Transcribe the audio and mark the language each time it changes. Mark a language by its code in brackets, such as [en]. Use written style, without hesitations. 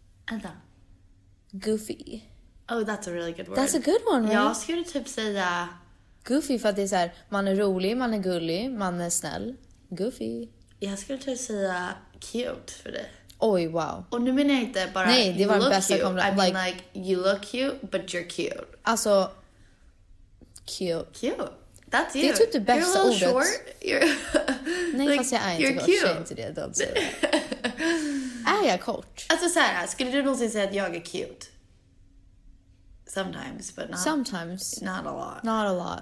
[sv] Vänta. [en] Goofy. Oh, that's a really good word. That's a good one, right? [sv] Jag skulle typ säga... Goofy, för att det är så här, man är rolig, man är gullig, man är snäll. [en] Goofy. [sv] Jag skulle typ säga cute för det. Oj, wow. Och nu menar jag inte bara... Nej, det var den bästa kompletten. [en] I mean like, you look cute, but you're cute. [sv] Alltså, cute. [en] Cute. That's you. [sv] Det är typ det bästa ordet. [en] You're a little short. [sv] Nej, like, fast jag är inte kort. Jag säger inte det. [en] Don't say that. [sv] Är jag kort? Alltså så här, skulle du någonsin säga att jag är cute? [en] Sometimes, but not... Sometimes. Not a lot. Not a lot.